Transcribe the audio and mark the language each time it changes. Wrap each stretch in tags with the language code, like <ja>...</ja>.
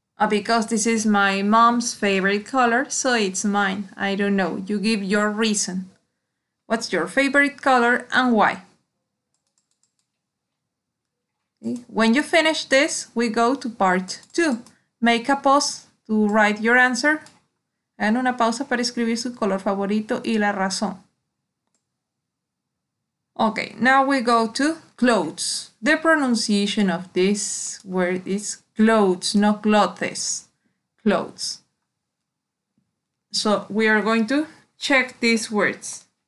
<en>Because this is my mom's favorite color, so it's mine. I don't know. You give your reason. What's your favorite color and why? When you finish this, we go to part two. Make a pause to write your answer.</en> <es>Hagan una pausa para escribir su color favorito y la razón.</es> <en>Okay, now we go to clothes. The pronunciation of this word is clothes, not clothes. Clothes. So we are going to check these words.</en>